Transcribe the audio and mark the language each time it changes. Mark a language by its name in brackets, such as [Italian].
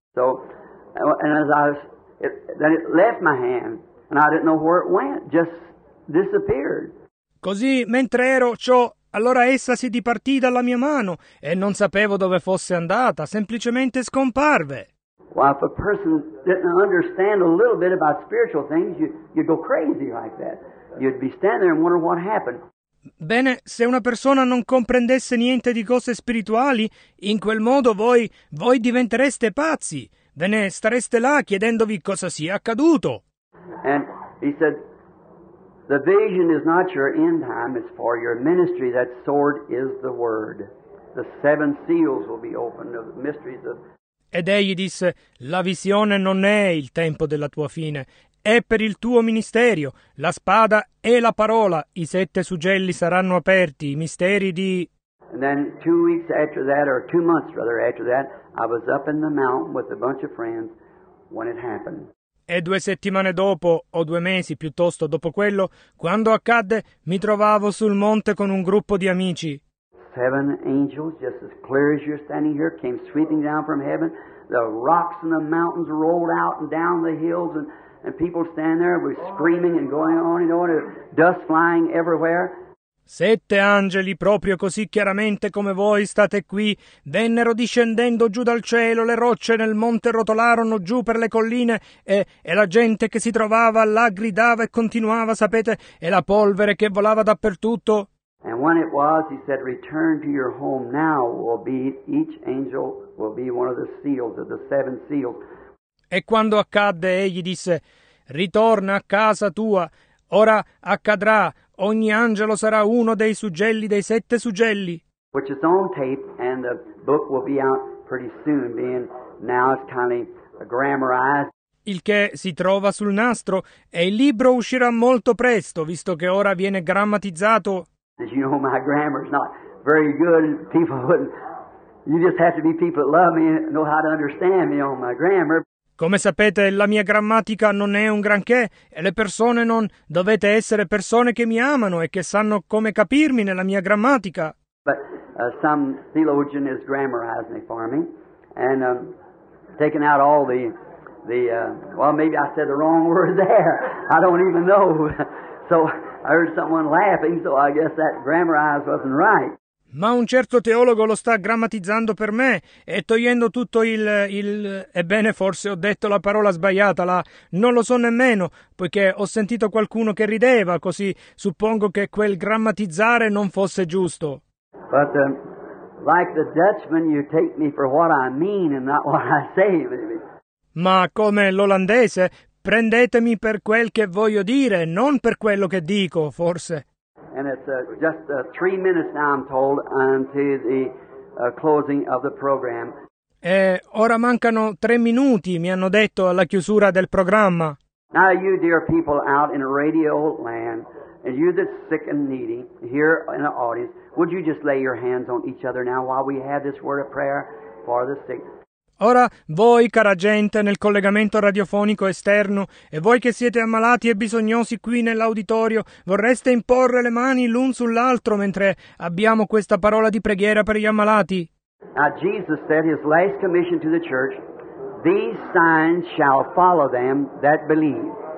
[English] So, and as I was, then it left my hand, and I didn't know where it went, just disappeared. [Italian] Così, mentre ero ciò, allora essa si dipartì dalla mia mano, e non sapevo dove fosse andata, semplicemente scomparve. [English] Well, if a person didn't understand a little bit about spiritual things, you'd go crazy like that. You'd be standing there and wondering what happened. [Italian] Bene, se una persona non comprendesse niente di cose spirituali, in quel modo voi diventereste pazzi. Ve ne stareste là chiedendovi cosa sia accaduto. [English] And he said, the vision is not your end time, it's for your ministry. That sword is the word. The seven seals will be opened of the mysteries of... [Italian] Ed egli disse, la visione non è il tempo della tua fine, è per il tuo ministerio, la spada è la parola, i sette suggelli saranno aperti, i misteri di... [English] And then 2 weeks after that, or 2 months rather after that, I was up in the mountain with a bunch of friends when it happened. [Italian] E 2 settimane dopo, o 2 mesi piuttosto dopo quello, quando accadde, mi trovavo sul monte con un gruppo di amici. [English] Seven angels, just as clear as you're standing here, came sweeping down from heaven. The rocks and the mountains rolled out and down the hills, and people stand there with screaming and going on and on, and dust flying everywhere. [Italian] 7 angeli, proprio così chiaramente come voi state qui, vennero discendendo giù dal cielo, le rocce nel monte rotolarono giù per le colline e la gente che si trovava là gridava e continuava, sapete, e la polvere che volava dappertutto. [English] And when it was, he said, return to your home now, will be, each angel will be one of the seals, of the 7 seals. [Italian] E quando accadde, egli disse, ritorna a casa tua, ora accadrà, ogni angelo sarà uno dei suggelli, dei 7 suggelli. [English] Which is on tape, and the book will be out pretty soon, being now it's kind of grammarized. [Italian] Il che si trova sul nastro, e il libro uscirà molto presto, visto che ora viene grammatizzato. [English] As you know, my grammar is not very good, and people wouldn't... You just have to be people that love me and know how to understand me on my grammar. [Italian] Come sapete, la mia grammatica non è un granché, e le persone non... Dovete essere persone che mi amano e che sanno come capirmi nella mia grammatica. [English] But some theologian is grammarizing it for me, and taking out all well, maybe I said the wrong word there. I don't even know. So... I heard someone laughing, so I guess that grammarized wasn't right. [Italian] Ma un certo teologo lo sta grammatizzando per me e togliendo tutto il ebbene, forse ho detto la parola sbagliata, la non lo so nemmeno, poiché ho sentito qualcuno che rideva, così suppongo che quel grammatizzare non fosse giusto. [English] But like the Dutchman, you take me for what I mean and not what I say, maybe. [Italian] Ma come l'olandese, prendetemi per quel che voglio dire, non per quello che dico, forse. [English] And it's just 3 minutes now, I'm told, until the closing of the program. [Italian] E ora mancano 3 minuti, mi hanno detto, alla chiusura del programma. [English] Now you dear people out in radio land, and you that's sick and needy, here in the audience, would you just lay your hands on each other now while we have this word of prayer for the sick? [Italian] Ora, voi, cara gente, nel collegamento radiofonico esterno, e voi che siete ammalati e bisognosi qui nell'auditorio, vorreste imporre le mani l'un sull'altro mentre abbiamo questa parola di preghiera per gli ammalati? [English] Now, Jesus said his last commission to the church, these signs shall follow them that believe.